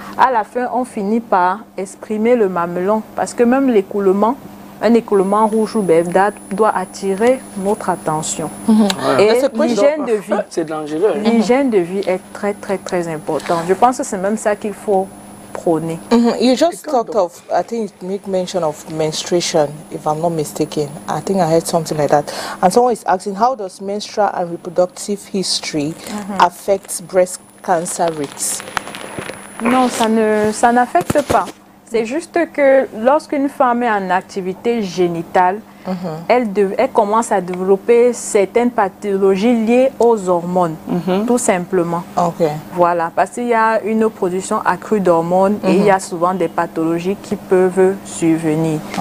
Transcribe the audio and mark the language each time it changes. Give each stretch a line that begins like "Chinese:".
French: À la fin, on finit par exprimer le mamelon parce que même l'écoulement, un écoulement rouge ou verdâtre doit attirer notre attention. Et l'hygiène de vie, c'est dangereux. L'hygiène de vie est très très très importante. Je pense que c'est même ça qu'il faut prôner.
English: You just talked of, I think you make mention of menstruation, if I'm not mistaken. I think I heard something like that. And someone is asking, how does menstrual and reproductive history affect breast cancer rates?
French: Non, ça n'affecte pas. C'est juste que lorsqu'une femme est en activité génitale, elle commence à développer certaines pathologies liées aux hormones, tout simplement. Voilà, parce qu'il y a une production accrue d'hormones et il y a souvent des pathologies qui peuvent survenir.